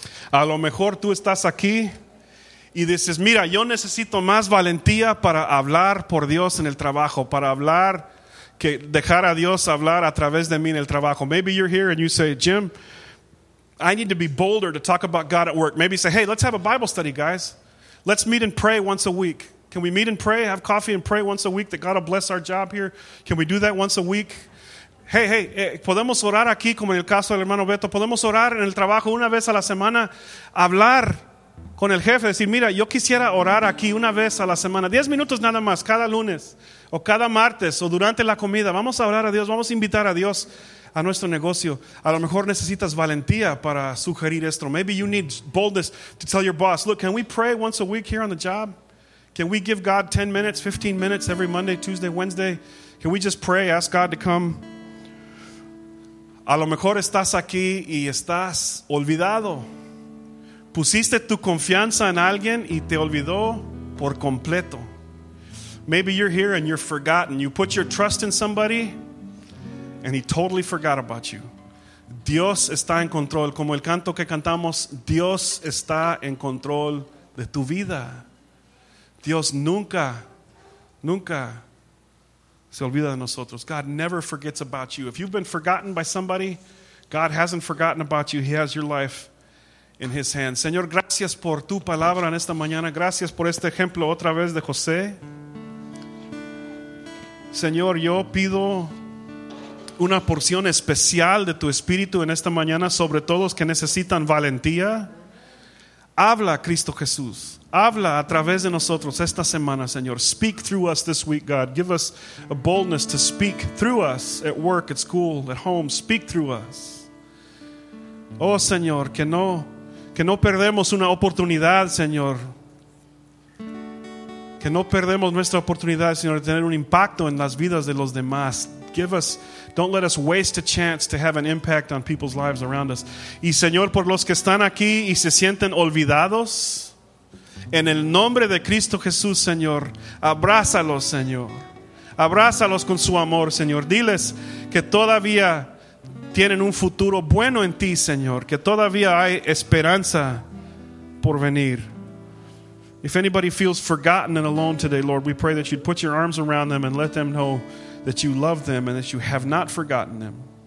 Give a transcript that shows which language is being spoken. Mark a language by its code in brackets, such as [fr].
[es] A lo mejor tú estás aquí y dices, mira, yo necesito más valentía para hablar por Dios en el trabajo, para hablar, que dejar a Dios hablar a través de mí en el trabajo. [en] Maybe you're here and you say, Jim, I need to be bolder to talk about God at work. Maybe say, hey, let's have a Bible study, guys. Let's meet and pray once a week. Can we meet and pray, have coffee and pray once a week that God will bless our job here? Can we do that once a week? [es] Hey, podemos orar aquí como en el caso del hermano Beto. Podemos orar en el trabajo una vez a la semana, hablar con el jefe, decir, mira, yo quisiera orar aquí una vez a la semana, 10 minutos nada más, cada lunes o cada martes o durante la comida. Vamos a orar a Dios, vamos a invitar a Dios a nuestro negocio. A lo mejor necesitas valentía para sugerir esto. [en] Maybe you need boldness to tell your boss, look, can we pray once a week here on the job? Can we give God 10 minutes, 15 minutes every Monday, Tuesday, Wednesday? Can we just pray, ask God to come? [es] A lo mejor estás aquí y estás olvidado. Pusiste tu confianza en alguien y te olvidó por completo. [en] Maybe you're here and you're forgotten. You put your trust in somebody and he totally forgot about you. [es] Dios está en control. Como el canto que cantamos, Dios está en control de tu vida. Dios nunca, nunca se olvida de nosotros. [en] God never forgets about you. If you've been forgotten by somebody, God hasn't forgotten about you. He has your life in his hands. [es] Señor, gracias por tu palabra en esta mañana. Gracias por este ejemplo otra vez de José. Señor, yo pido una porción especial de tu espíritu en esta mañana, sobre todo los que necesitan valentía. Habla, Cristo Jesús. Habla a través de nosotros esta semana, Señor. [en] Speak through us this week, God. Give us a boldness to speak through us at work, at school, at home. Speak through us. [es] Oh, Señor, que no perdemos una oportunidad, Señor. Que no perdemos nuestra oportunidad, Señor, de tener un impacto en las vidas de los demás. [en] Don't let us waste a chance to have an impact on people's lives around us. [es] Y Señor, por los que están aquí y se sienten olvidados, en el nombre de Cristo Jesús, Señor, abrázalos, Señor. Abrázalos con su amor, Señor. Diles que todavía tienen un futuro bueno en ti, Señor. Que todavía hay esperanza por venir. [en] If anybody feels forgotten and alone today, Lord, we pray that you'd put your arms around them and let them know that you love them and that you have not forgotten them.